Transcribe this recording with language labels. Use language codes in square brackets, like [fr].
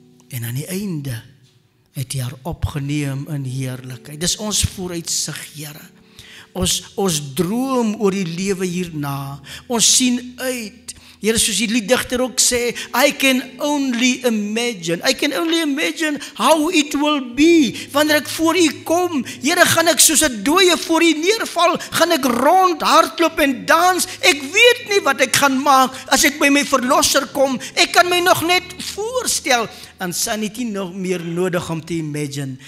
[af] En aan die einde het U haar opgeneem in heerlikheid. Dis ons vooruitsig, Here. Ons droom oor die lewe hierna. Ons sien uit. Here, soos die liedigter ook sê, [en] I can only imagine. I can only imagine how it will be. [af] Wanneer ek voor U kom, Here, gaan ek soos 'n dooie voor U neerval, gaan ek rond hardloop en dans. Ek weet nie wat ek gaan maak as ek by my verlosser kom. Ek kan my nog net voorstel. En Sannie het nie nog meer nodig om te imagine.